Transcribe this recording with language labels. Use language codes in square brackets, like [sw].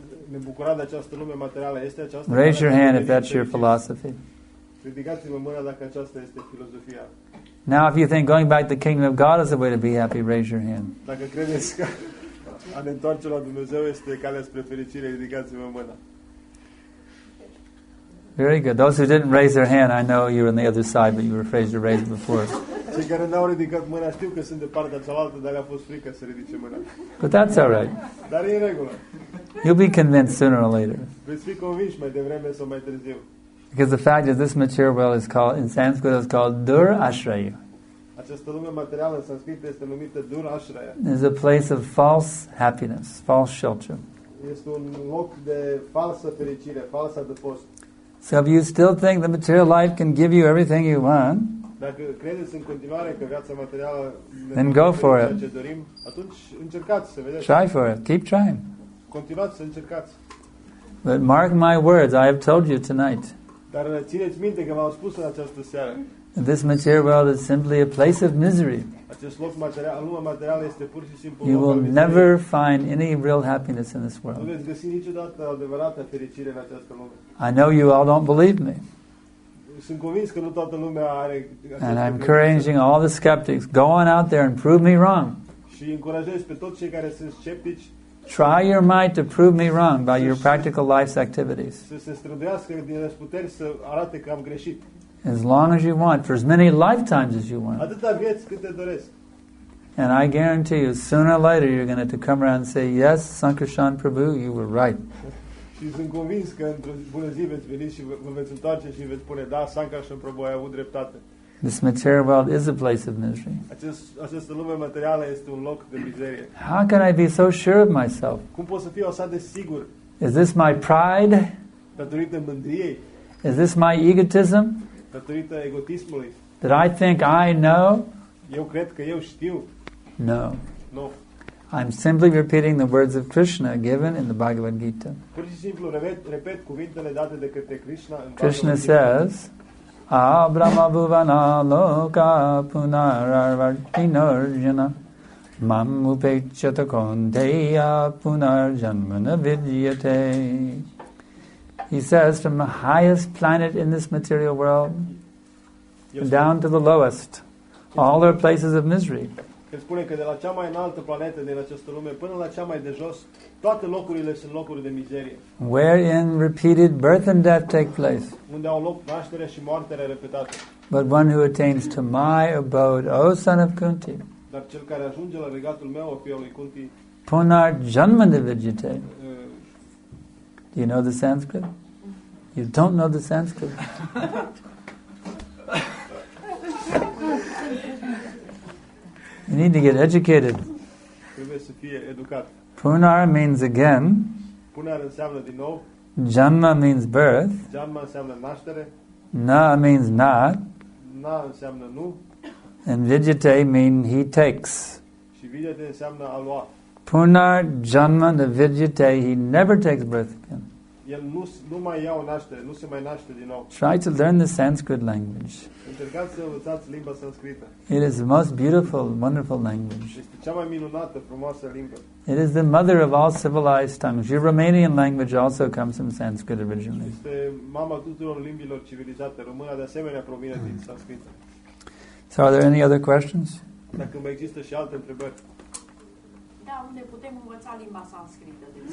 [ro] Ne bucura de această lume materială, este aceasta? [en] Raise your hand if that's your philosophy. [ro] Ridicați-vă mâna dacă aceasta este filozofia. [en] Now if you think going back to the kingdom of God is the way to be happy, raise your hand. [ro] Dacă credeți că a ne întoarce la Dumnezeu este calea spre fericire, ridicați-vă mâna. [en] Very good. Those who didn't raise their hand, I know you were on the other side, but you were afraid to raise it before. [ro] Cei care n-au ridicat mâna știu că sunt de partea cealaltă, dar a fost frică să ridice mâna. [en] But that's all right. [ro] Dar e în regulă. [en] You'll be convinced sooner or later. [ro] Veți fi convins mai devreme sau mai târziu. [en] Because the fact is, this material world is called, in Sanskrit, it's called Dur Ashraya. [ro] Această lume materială în Sanskrit este numită Dur Ashraya. [en] It's a place of false happiness, false shelter. [ro] Este un loc de falsă fericire, falsă adăpost. [en] So if you still think the material life can give you everything you want, [ro] dacă credeți în continuare că viața materială [en] then go for it. [ro] Ce dorim, atunci încercați să vedeți. [en] Try for it. Keep trying. [ro] Continuați să încercați. [en] But mark my words, I have told you tonight. [ro] Dar țineți minte că v-am spus în această seară. [en] This material world is simply a place of misery. [ro] Acest loc material, lumea materială este pur și simplu. [en] You will never find any real happiness in this world. [ro] Nu veți găsi niciodată adevărată fericire în această lume. [en] I know you all don't believe me. [ro] Sunt convins că nu toată lumea are. [en] And I'm encouraging all the skeptics, go on out there and prove me wrong. [ro] Și încurajez pe toți cei care sunt sceptici. [en] Try your might to prove me wrong by your practical life's activities. [ro] Să se străduiască din răsputeri să arate că am greșit. [en] As long as you want, for as many lifetimes as you want. [ro] Atâta vieți cât te doresc. [en] And I guarantee you, sooner or later, you're going to have to come around and say, yes, Sankarshan Prabhu, you were right. [ro] Și sunt convins că într-o bună zi veți veni și vă veți întoarce și veți spune, da, Sankarshan Prabhu, ai avut dreptate. [en] This material world is a place of misery. [ro] Această lume materială este un loc de mizerie. [en] How can I be so sure of myself? [ro] Cum pot să fiu așa de sigur? [en] Is this my pride? [ro] Datorită mândriei? [en] Is this my egotism? [ro] Datorită egotismului? [en] That I think I know? [ro] Eu cred că eu știu. [en] No. No. I'm simply repeating the words of Krishna given in the Bhagavad Gita. [ro] Pur și simplu repet cuvintele date de către Krishna. [sa] Krishna says, Abrahma bhuvana loka punararvartinarjana mam upechyata kondeya punarjanmana vidyate. [en] He says, from the highest planet in this material world down to the lowest, all are places of misery. [ro] Se spune că de la cea mai înaltă planetă din această lume până la cea mai de jos, toate locurile sunt locuri de mizerie. [en] Where in repeated birth and death take place. [ro] Unde au loc nașterea și moartea repetate. [en] But one who attains to my abode, O son of Kunti. [ro] Dar cel care ajunge la regatul meu, o fiul lui Kunti. [sa] Punar janma devijite. [en] Do you know the Sanskrit? You don't know the Sanskrit. You need to get educated. [ro] Trebuie să fie educat. [en] Punar means again. [ro] Punar înseamnă din nou. [en] Janma means birth. [ro] Janma înseamnă naștere. [en] Na means not. [ro] Na înseamnă nu. [en] And vijite mean he takes. [ro] Și vijite înseamnă a lua. [sa] Punar janma de vijite, [en] he never takes birth again. [ro] El nu mai ia o naștere, nu se mai naște din nou. [en] Try to learn the Sanskrit language. [ro] Încercați să învățați limba sanscrită. [en] It is the most beautiful, wonderful language. [ro] Este cea mai minunată, frumoasă limbă. [en] It is the mother of all civilized tongues. Your Romanian language also comes from Sanskrit originally. [ro] Este mama tuturor limbilor civilizate. Româna de asemenea provine din sanscrită. [en] So are there any other questions? [ro] Dacă mai există și alte întrebări. Da, unde putem învăța limba sanscrită?